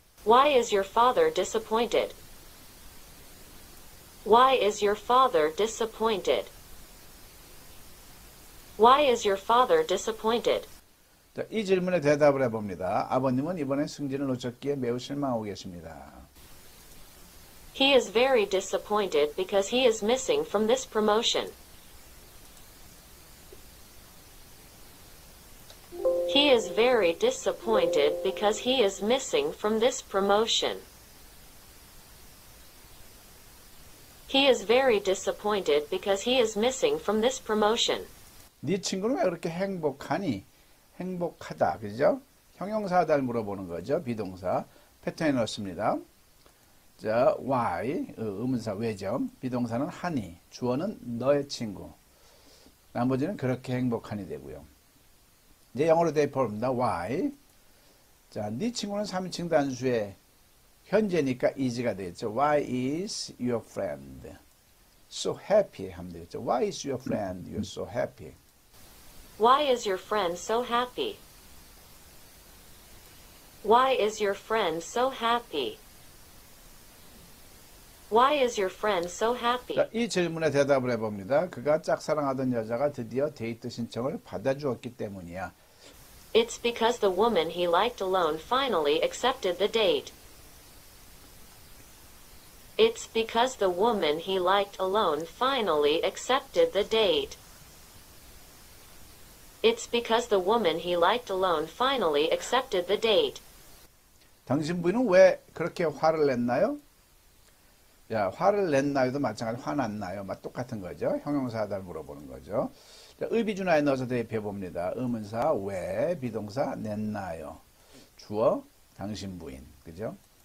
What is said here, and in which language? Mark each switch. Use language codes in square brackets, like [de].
[en] Why is your father disappointed? Why is your father disappointed? Why is your father disappointed? [ko] 자, 이 질문에 대답을 해봅니다. 아버님은 이번에 승진을 놓쳤기에 매우 실망하고 계십니다. [en] He is very disappointed because he is missing from this promotion. He is very disappointed because he is missing from this promotion. He is very disappointed because he is missing from this promotion. [ko] 네 친구는 왜 그렇게 행복하니? 행복하다, 그죠? 형용사다를 물어보는 거죠. 비동사 패턴에 넣습니다. 자, why? 의문사 왜죠? 비동사는 하니, 주어는 너의 친구. 나머지는 그렇게 행복하니 되고요. 이제 영어로 대입해봅니다. [en] Why? [ko] 자, 네 친구는 3인칭 단수의 현재니까 is가 되겠죠. [en] Why is your friend so happy? [ko] 하면 되겠죠. [en] Why is your friend you're so happy? Why is your friend so happy? Why is your friend so happy? Why is your friend so 자, happy? [ko] 이 질문에 대답을 해봅니다. 그가 짝사랑하던 여자가 드디어 데이트 신청을 받아주었기 때문이야. [en] It's because the woman he liked alone finally accepted the date. It's because the woman he liked alone finally accepted the date. It's because the woman he liked alone finally accepted the date. [ko] 당신 부인은 왜 그렇게 화를 냈나요? 야, 화를 냈나요도 마찬가지로 화났나요? 막 똑같은 거죠. 형용사다 물어보는 거죠. 자, 의비준화에 넣어서 대입해봅니다. 의문사 왜 비동사 냈나요? 주어 당신 부인. 그죠?